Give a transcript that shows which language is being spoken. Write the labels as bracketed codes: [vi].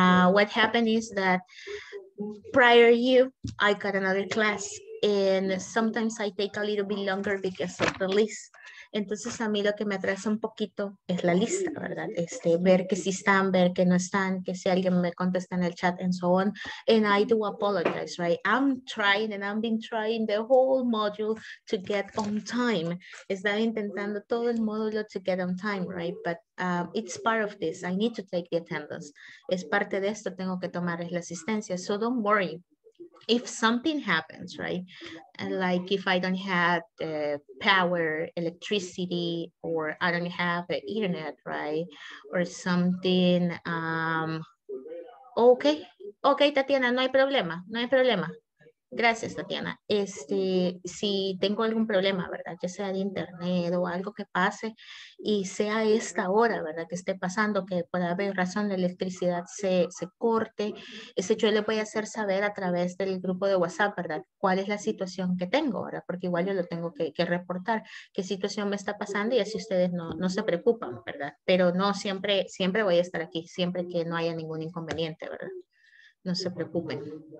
[en] What happened is that prior to you, I got another class. And sometimes I take a little bit longer because of the list. [es] Entonces a mí lo que me atrasa un poquito es la lista, ¿verdad? Este, ver que sí están, ver que no están, que si alguien me contesta en el chat [en] and so on. And I do apologize, right? I'm trying and I've been trying the whole module to get on time. [es] Estaba intentando todo el módulo [en] to get on time, right? But it's part of this. I need to take the attendance. [es] Es parte de esto, tengo que tomar la asistencia. [en] So don't worry. If something happens, right, and like if I don't have the power, electricity, or I don't have the internet, right, or something, okay, Tatiana, [es] no hay problema, gracias, [en] Tatiana. [es] Este, si tengo algún problema, verdad, ya sea de internet o algo que pase, y sea esta hora, verdad, que esté pasando, que por haber razón la electricidad se corte, ese yo le voy a hacer saber a través del grupo de WhatsApp, verdad, cuál es la situación que tengo ahora, porque igual yo lo tengo que reportar, qué situación me está pasando, y así ustedes no se preocupan, verdad, pero no, siempre voy a estar aquí, siempre que no haya ningún inconveniente, verdad, no se preocupen.